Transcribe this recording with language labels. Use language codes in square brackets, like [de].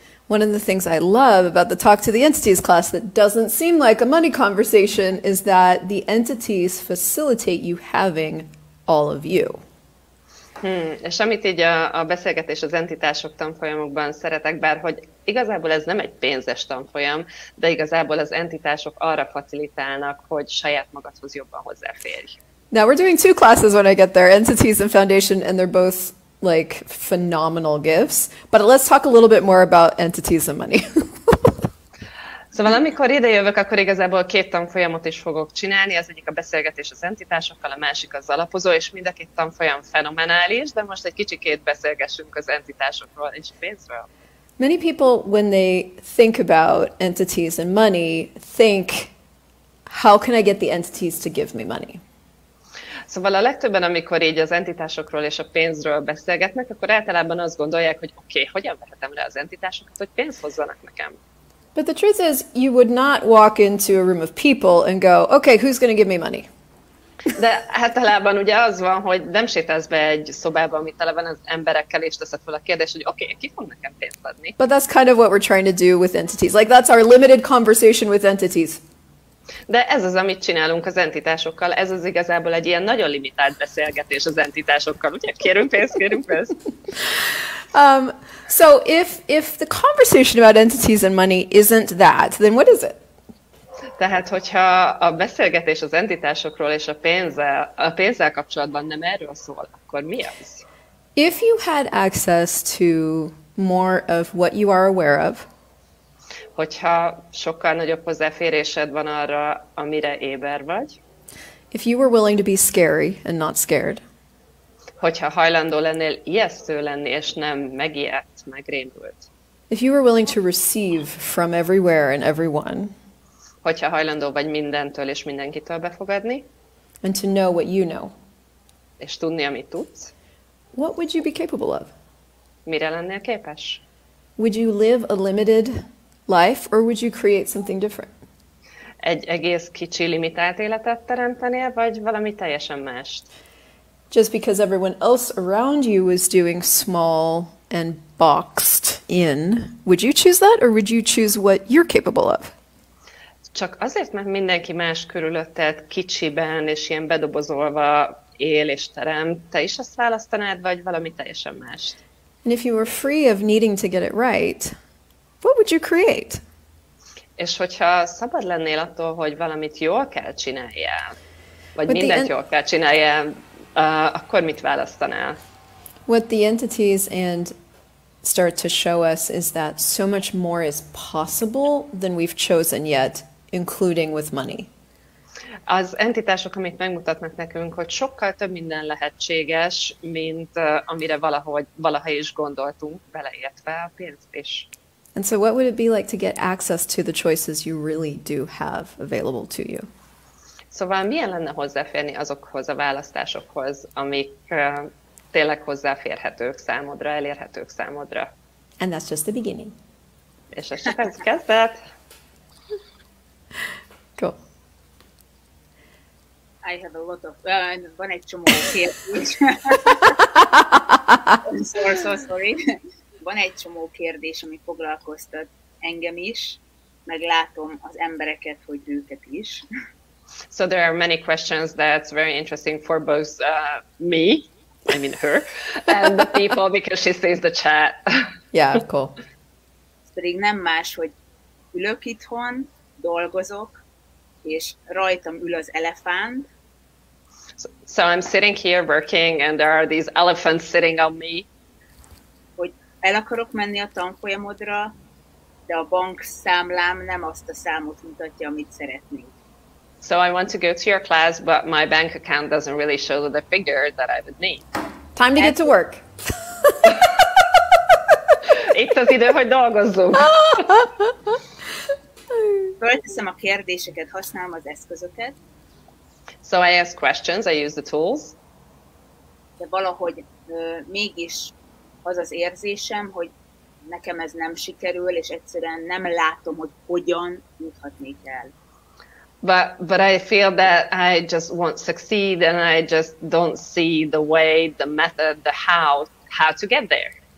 [en] One of the things I love about the Talk to the Entities class that doesn't seem like a money conversation is that the entities facilitate you having all of you. [hu] És amit így a beszélgetés az entitások tanfolyamokban szeretek, bár hogy igazából ez nem egy pénzes tanfolyam, de igazából az entitások arra facilitálnak, hogy saját magadhoz jobban hozzáférj. [en] Now we're doing two classes when I get there, entities and foundation, and they're both like phenomenal gifts. But let's talk a little bit more about entities and money. [hu] Szóval amikor ide jövök, akkor igazából két tanfolyamot is fogok csinálni, az egyik a beszélgetés az entitásokkal, a másik az alapozó, és mind a két tanfolyam fenomenális, de most egy kicsikét beszélgessünk az entitásokról és pénzről. [en] Many people, when they think about entities and money, think, how can I get the entities to give me money? [hu] Szóval a legtöbben, amikor így az entitásokról és a pénzről beszélgetnek, akkor általában azt gondolják, hogy oké, hogyan vehetem le az entitásokat, hogy pénzt hozzanak nekem. [en] But the truth is, you would not walk into a room of people and go, okay, who's going to give me money? [hu] De általában ugye az van, hogy nem sétálsz be egy szobába, amit tele van az emberekkel, és teszed fel a kérdést, hogy okay, ki fog nekem pénzt adni? [en] But that's kind of what we're trying to do with entities. Like, that's our limited conversation with entities. [hu] De ez az, amit csinálunk az entitásokkal. Ez az igazából egy ilyen nagyon limitált beszélgetés az entitásokkal. Ugye, kérünk pénzt. [en] So if the conversation about entities and money isn't that, then what is it? [hu] Tehát, hogyha a beszélgetés az entitásokról és a pénzzel kapcsolatban nem erről szól, akkor mi az? [en] If you had access to more of what you are aware of, [hu] hogyha sokkal nagyobb hozzáférésed van arra, amire éber vagy, [en] if you were willing to be scary and not scared, [hu] hogyha hajlandó lennél ijesztő lenni, és nem megijedt, megrémült. [en] If you were willing to receive from everywhere and everyone. [hu] Hogyha hajlandó vagy mindentől és mindenkitől befogadni. [en] And to know what you know. [hu] És tudni, amit tudsz. [en] What would you be capable of? [hu] Mire lennél képes? [en] Would you live a limited life, or would you create something different? [hu] Egy egész kicsi limitált életet teremtenél, vagy valami teljesen mást? [en] Just because everyone else around you is doing small and boxed in, would you choose that, or would you choose what you're capable of? [hu] Csak azért, mert mindenki más körülötted kicsiben és ilyen bedobozolva él és terem, te is azt választanád, vagy valami teljesen mást? [en] And if you were free of needing to get it right, what would you create? [hu] És hogyha szabad lennél attól, hogy valamit jól kell csináljál, vagy mindent jól kell csináljál, akkor mit választanál? [en] What the entities and start to show us is that so much more is possible than we've chosen yet, including with money. [hu] Az entitások, amit megmutatnak nekünk, hogy sokkal több minden lehetséges, mint amire valaha is gondoltunk, beleértve a pénzt is. [en] And so what would it be like to get access to the choices you really do have available to you? [hu] Szóval milyen lenne hozzáférni azokhoz a választásokhoz, amik tényleg hozzáférhetők számodra, elérhetők számodra? [en] And that's just the beginning. [hu] És ez csak az kezdet. [en] Cool. I have a lot of... [hu] van egy csomó kérdés. [en] sorry. [hu] Van egy csomó kérdés, ami foglalkoztat engem is, meg látom az embereket, hogy őket is. [en] So there are many questions that's very interesting for both me, I mean her, and the people, because she sees the chat. Yeah, cool. [hu] Ez pedig nem más, hogy ülök itthon, dolgozok, és rajtam ül az elefánt. [en] So I'm sitting here working, and there are these elephants sitting on me. [hu] el akarok menni a tanfolyamodra, de a bank számlám nem azt a számot mutatja, amit szeretnék. [en] So I want to go to your class, but my bank account doesn't really show the figure that I would need. Time to get to work. [hu] Itt az idő, hogy dolgozzunk. Fölteszem a kérdéseket, használom az eszközöket. [en] So I ask questions, I use the tools. [hu] De valahogy mégis az az érzésem, hogy nekem ez nem sikerül, és egyszerűen nem látom, hogy hogyan juthatnék el. [en] But I feel that I just won't succeed, and I just don't see the way, the method, the how to get there.